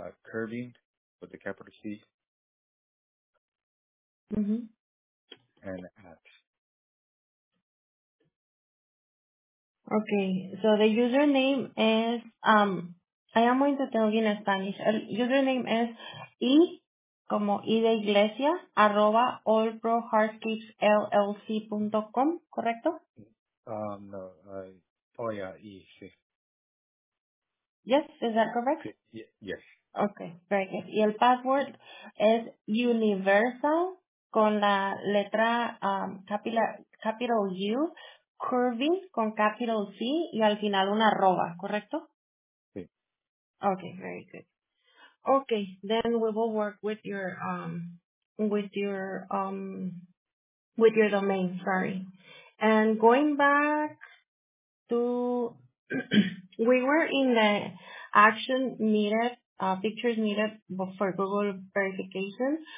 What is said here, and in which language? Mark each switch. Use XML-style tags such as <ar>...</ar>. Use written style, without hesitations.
<en>Curving with a capital C. Mm-hmm. And at. Okay, so the username is, I am going to tell you in Spanish.</en> <es>El username es I, como I de iglesia, arroba allprohardscapesllc.com, ¿correcto?</es> <en>No. Oh, yeah, I, sí. Yes, is that correct? Yes. Okay, very good.</en> <es>Y el password es universal, con la letra capital U, curving, con capital C, y al final una arroba, ¿correcto?</es> <en>Okay, very good. Okay, then we will work with your domain, sorry. And going back to, we were in the action needed, pictures needed for Google verification.</en>